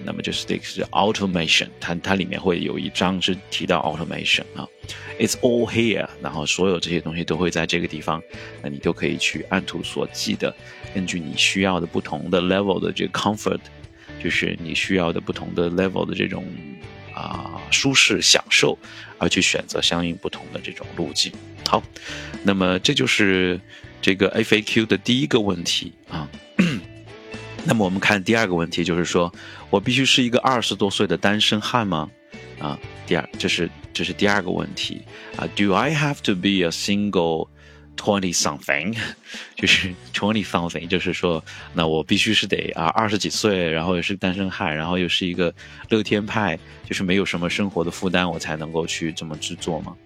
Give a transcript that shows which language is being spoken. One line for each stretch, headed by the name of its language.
Chinese: 那么就是这个是 automation， 它里面会有一章是提到 automation 啊 ，
English: it's all here，
Chinese: 然后所有这些东西都会在这个地方，那你都可以去按图索骥的，根据你需要的不同的 level 的这个 comfort， 就是你需要的不同的 level 的这种舒适享受，而去选择相应不同的这种路径。好，那么这就是这个 FAQ 的第一个问题啊。那么我们看第二个问题，就是说我必须是一个20多岁的单身汉吗？啊，这是第二个问题啊。
English: Do I have to be a single twenty something，
Chinese: 就是 twenty something， 就是说，那我必须是得啊二十几岁，然后也是单身汉，然后又是一个乐天派，就是没有什么生活的负担，我才能够去这么制作吗？